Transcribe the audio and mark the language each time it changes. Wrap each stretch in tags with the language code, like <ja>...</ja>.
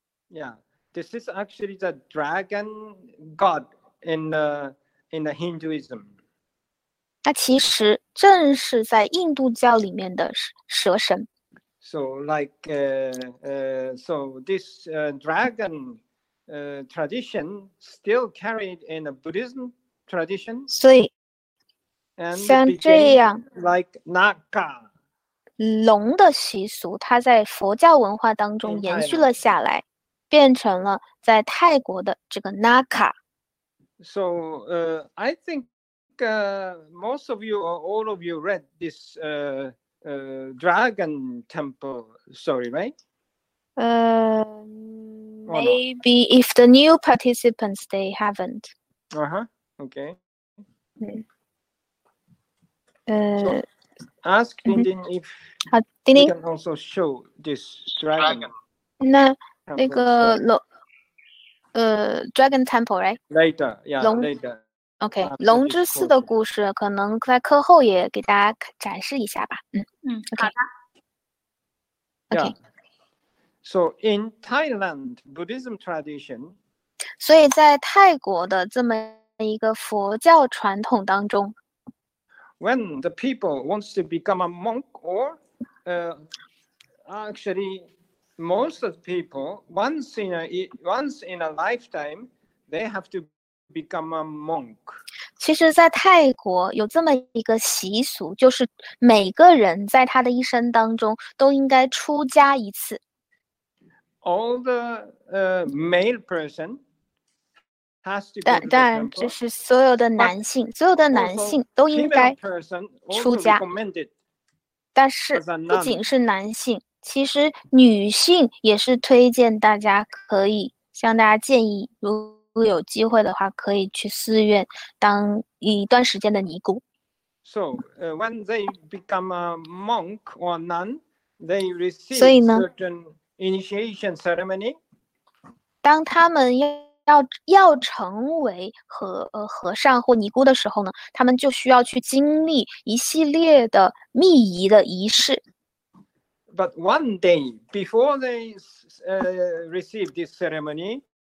<en>Yeah, this is actually the dragon god in the Hinduism.</en> <zh>它其实正是在印度教里面的蛇神。</zh> <en>So like so this dragon tradition still carried in a Buddhism tradition.</en> <zh>所以像这样</zh> <en>like Naga</en> <zh>龙的习俗，它在佛教文化当中延续了下来，变成了在泰国的这个 Naga。</zh> <en>So I think most of you or all of you read this dragon temple story, right? Maybe no? If the new participants, they haven't. Okay. So, ask Dindin if he can also show this dragon.</en> <zh>那个</zh> <en>dragon temple, right? Later, yeah, later.</en> <zh>OK, 龙之寺的故事可能在课后也给大家展示一下吧。好的。</zh> <en>So in Thailand Buddhism tradition,</en> <zh>所以在泰国的这么一个佛教传统当中，</zh> <en>when the people wants to become a monk or actually most of the people once in a lifetime they have to become a monk.</en> <zh>其实在泰国有这么一个习俗，就是每个人在他的一生当中都应该出家一次。</zh> <en>All the male person has to go to the temple.</en> <zh>当然这是所有的男性，所有的男性都应该出家。但是不仅是男性，其实女性也是推荐大家可以向大家建议，如如果有机会的话，可以去寺院当一段时间的尼姑。</zh> <en>So, when they become a monk or nun, they receive</en> <zh>所以呢,</zh> <en>certain initiation ceremony.</en> <zh>当他们要成为和尚或尼姑的时候呢，他们就需要去经历一系列的密仪的仪式。</zh> <en>But one day before they receive this ceremony.</en>